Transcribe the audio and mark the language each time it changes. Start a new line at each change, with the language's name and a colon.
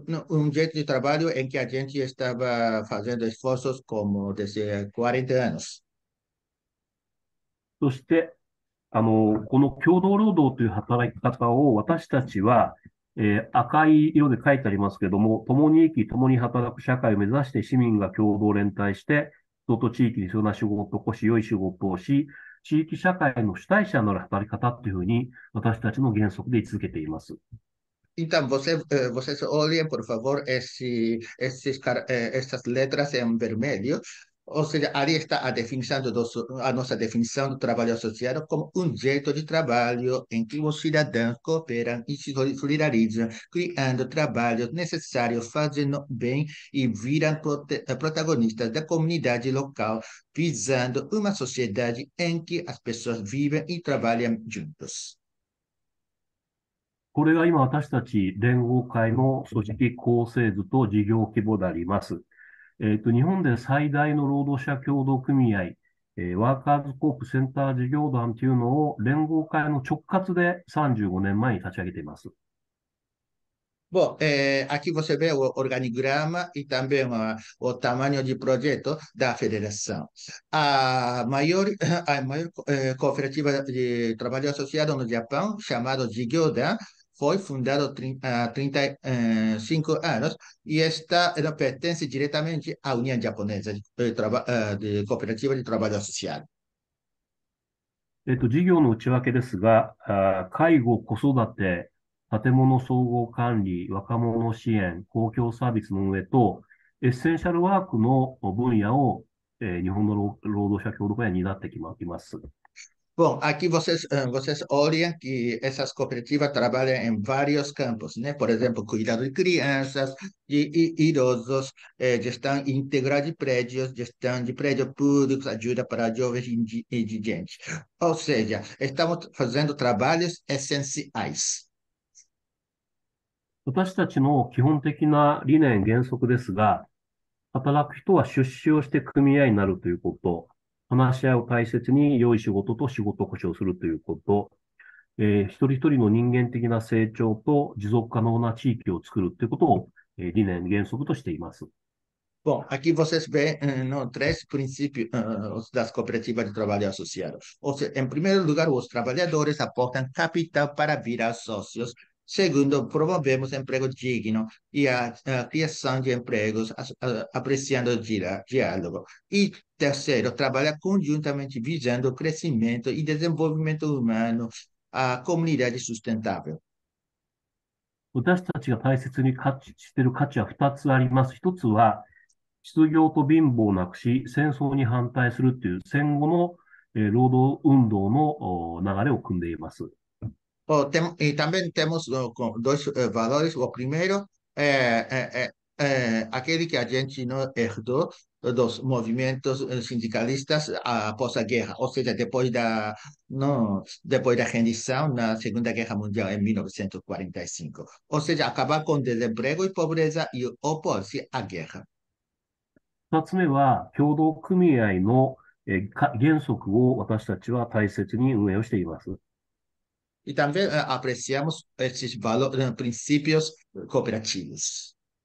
Portuguese: Um jeito de trabalho em que a gente estava fazendo esforços como desde 40 anos.
Japanese: そしてこの共同労働という働き方を私たちは、赤い色で書いてありますけれども、共に生き共に働く社会を目指して、市民が共同連帯して人と地域に必要な仕事を起こし、良い仕事をし、地域社会の主体者になる働き方というふうに私たちの原則で位置づけています。
Portuguese: Então, vocês olhem, por favor, essas letras em vermelho. Ou seja, ali está a nossa definição do trabalho associado como jeito de trabalho em que os cidadãos cooperam e se solidarizam, criando trabalho necessário, fazendo bem e viram protagonistas da comunidade local, visando uma sociedade em que as pessoas vivem e trabalham juntos.
Japanese: これが今私たち連合会の組織構成図と事業規模であります。日本で最大の労働者協同組合、ワーカーズコープセンター事業団というのを連合会の直轄で35年前に立ち上げています。
Portuguese: Bom, aqui você vê o organigrama e também o tamanho de projeto da federação. A maior cooperativa de trabalho associado no Japão, chamada Jigyodan, foi fundada há 35 anos e pertence diretamente à União Japonesa de Cooperativa de Trabalho Associado.
Japanese: 事業の内訳ですが、介護、子育て、建物総合管理、若者支援、公共サービスの上と、エッセンシャルワークの分野を、日本の労働者協同会に担ってきます。
Portuguese: Bom, aqui vocês olhem que essas cooperativas trabalham em vários campos, né? Por exemplo, cuidado de crianças, de idosos, gestão integral de prédios, gestão de prédios públicos, ajuda para jovens indigentes. Ou seja, estamos fazendo trabalhos essenciais.
Japanese: 私たちの基本的な理念原則ですが、働く人は出資をして組合になるということ、話し合いを大切に良い仕事と仕事保障するということ、一人一人の人間的な成長と持続可能な地域を作るということを、理念原則としています。
Portuguese: Bom, aqui vocês veem no, três princípios das cooperativas de trabalho associado. Ou seja, em primeiro lugar, os trabalhadores aportam capital para virar sócios. Segundo, promovemos emprego digno e a criação de empregos, apreciando o diálogo. E terceiro, trabalha conjuntamente visando o crescimento e desenvolvimento humano, a comunidade sustentável.
Japanese: 私たちが大切に価値している価値は2つあります。 1つは、失業と貧乏をなくし、戦争に反対するという戦後の労働運動の流れを組んでいます。
Portuguese: E também temos dois valores. O primeiro é aquele que a gente não herdou dos movimentos sindicalistas após a guerra, ou seja, depois da rendição na Segunda Guerra Mundial em 1945. Ou seja, acabar com desemprego e pobreza e opor-se à guerra.
Japanese: 2つ目は、協同組合の原則を私たちは大切に運営をしています。
Portuguese: E também apreciamos esses valores, princípios cooperativos.